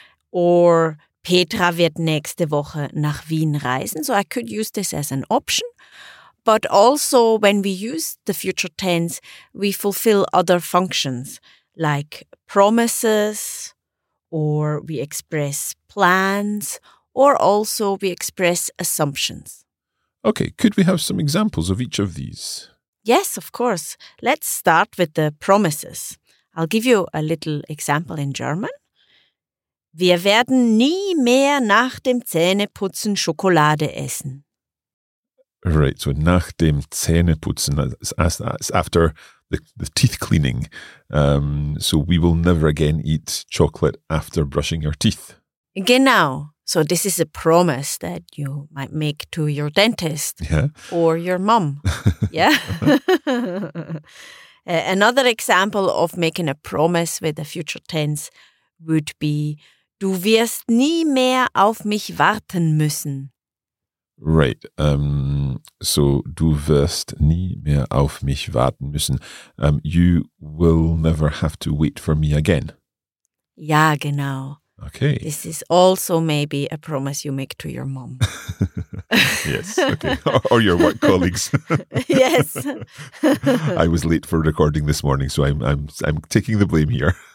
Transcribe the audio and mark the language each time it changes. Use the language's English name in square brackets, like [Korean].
[German] Or Petra wird nächste Woche nach Wien reisen. [English] So I could use this as an option. But also when we use the future tense, we fulfill other functions like promises, or we express plans, or also we express assumptions. Okay, could we have some examples of each of these? Yes, of course. Let's start with the promises. I'll give you a little example in German. [German] Wir werden nie mehr nach dem Zähneputzen Schokolade essen. [English] Right, so [German] nach dem Zähneputzen, [English] that's after the teeth cleaning. So we will never again eat chocolate after brushing your teeth. [German] Genau. [English] So this is a promise that you might make to your dentist, yeah, or your mom. Yeah. Uh-huh. Another example of making a promise with a future tense would be, [German] du wirst nie mehr auf mich warten müssen. [English] Right. [German] So du wirst nie mehr auf mich warten müssen. [English] You will never have to wait for me again. [German] Ja, genau. [English] Okay. This is also maybe a promise you make to your mom. Yes. Okay. Or your work colleagues. Yes. I was late for recording this morning, so I'm taking the blame here.